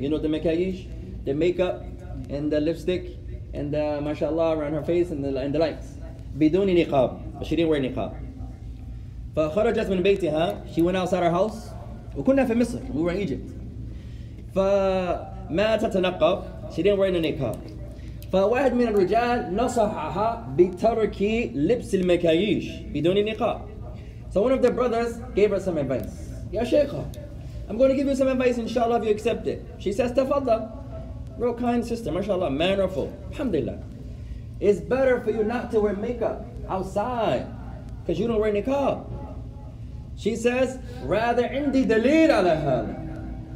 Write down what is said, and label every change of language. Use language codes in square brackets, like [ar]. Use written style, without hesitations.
[en] You know the makayish? The makeup and the lipstick and the MashaAllah around her face and the lights. بِدُونِ niqab. But she didn't wear niqab. [ar] فخرجت من بيتها. [en] She went outside her house. [ar] وكنا في مصر. [en] We were in Egypt. [ar] فما تتنقب. [en] She didn't wear any niqab. [ar] فواحد من الرجال نصحها بترك لبس المكياج بدون النقاب. [en] So one of the brothers gave her some advice. [ar] يا شيخة, [en] I'm going to give you some advice, inshallah, if you accept it. She says, tafadda. Real kind sister, mashallah, mannerful. Alhamdulillah. It's better for you not to wear makeup outside because you don't wear niqab. She says, rather indi dalil ala hal.